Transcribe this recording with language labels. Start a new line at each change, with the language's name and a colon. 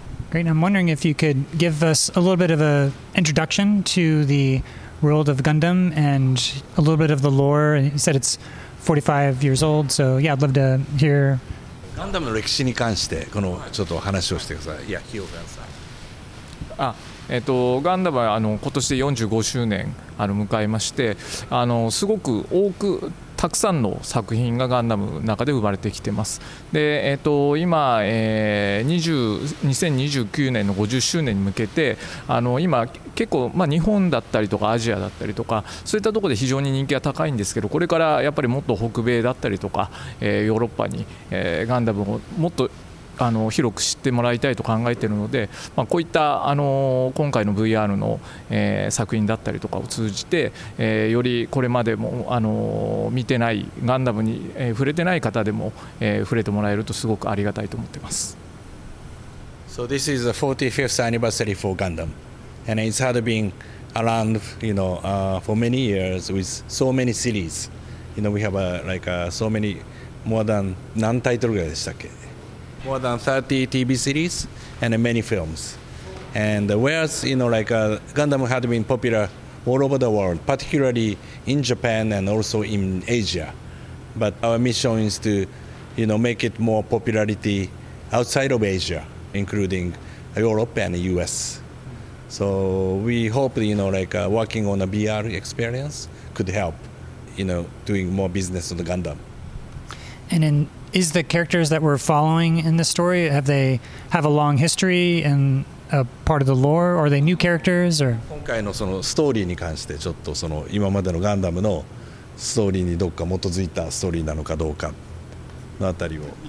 English: Great. I'm wondering if you could give us a little bit of an introduction to the world of Gundam and a little bit of the lore. You said it's 45 years old, so yeah, I'd love to hear.
Japanese: Gundam の歴史に関してこのちょっと話をしてください。いや、ヒオガンさん。あ、ガンダムはあの今年で45周年あの迎えまして、あのすごく多くたくさんの作品がガンダムの中で生まれてきてます。で、今、2029年の50周年に向けて、あの今結構、まあ、日本だったりとかアジアだったりとかそういったところで非常に人気が高いんですけど、これからやっぱりもっと北米だったりとか、ヨーロッパに、ガンダムをもっとあの広く知ってもらいたいと考えているので、まあ、こういったあの今回の VR の、作品だったりとかを通じて、よりこれまでもあの見てないガンダムに、触れてない方でも、触れてもらえるとすごくありがたいと思っています。
English: So this is the 45th anniversary for Gundam and it's had been around, you know, for many years with so many series. You know, we have so many more than
Japanese: 何タイトルぐらいでしたっけ。
English: More than 30 TV series and many films. And whereas, you know, like Gundam had been popular all over the world, particularly in Japan and also in Asia. But our mission is to, you know, make it more popularity outside of Asia, including Europe and the US. So we hope, you know, like working on a VR experience could help, you know, doing more business on the Gundam. And in, is the characters that we're following in the story, have they have a long history and a part of the lore, or are they new characters? Or
Japanese: 今回のそのストーリーに関してちょっとその今までのガンダムのストーリーにどっか基づいたストーリーなのかどうかのあたりを。